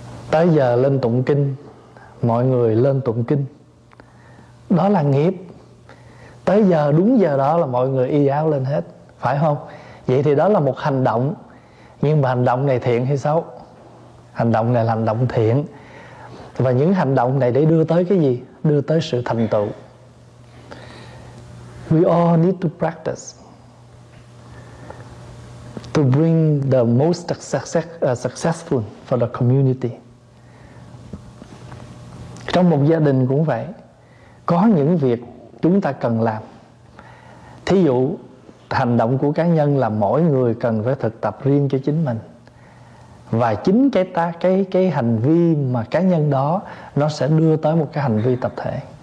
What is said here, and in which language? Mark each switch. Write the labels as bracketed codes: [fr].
[vi] Tới giờ lên tụng kinh, mọi người lên tụng kinh, đó là nghiệp. Tới giờ đúng giờ đó là mọi người y áo lên hết, phải không? Vậy thì đó là một hành động. Nhưng mà hành động này thiện hay xấu? Hành động này là hành động thiện. Và những hành động này để đưa tới cái gì? Đưa tới sự thành tựu. [en] We all need to practice to bring the most successful for the community. [vi] Trong một gia đình cũng vậy, có những việc chúng ta cần làm. Thí dụ, hành động của cá nhân là mỗi người cần phải thực tập riêng cho chính mình. Và chính cái hành vi mà cá nhân đó, nó sẽ đưa tới một cái hành vi tập thể.